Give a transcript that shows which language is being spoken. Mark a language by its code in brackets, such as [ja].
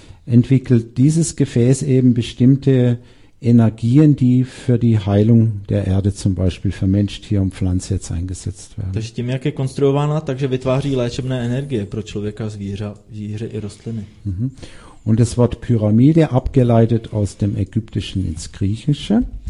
[de] entwickelt dieses Gefäß eben bestimmte Energien, die für die Heilung der Erde zum Beispiel für Mensch, Tier und Pflanze jetzt eingesetzt werden. [cs] Takže tím, jak je konstruována, takže vytváří léčebné energie pro člověka, zvíře i rostliny. [de] Und das Wort Pyramide abgeleitet aus dem Ägyptischen ins Griechische.